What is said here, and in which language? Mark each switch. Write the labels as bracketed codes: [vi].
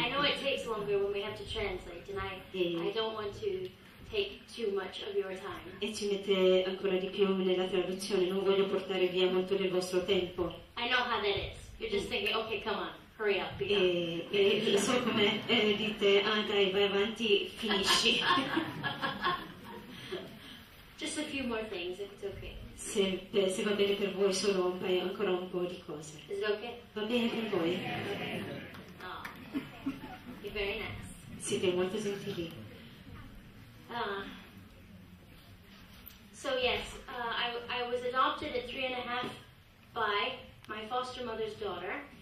[en] I know it takes longer when we have to translate, and I don't want to take too much of your time. [it] E ci mette ancora di più nella traduzione. Non voglio portare via molto del vostro tempo. [en] I know how that is. You're just thinking, okay, come on. [it] E so come dite, ah dai, vai avanti, finisci. [en] Just a few more things, if it's okay. [it] Se va bene per voi, solo un paio, ancora un po' di cose. [en] Is it okay? [it] Va bene per voi. [en] Okay. Oh, very nice. [it] Siete molto gentili. [en] So yes, I was adopted at 3 and a half by my foster mother's daughter.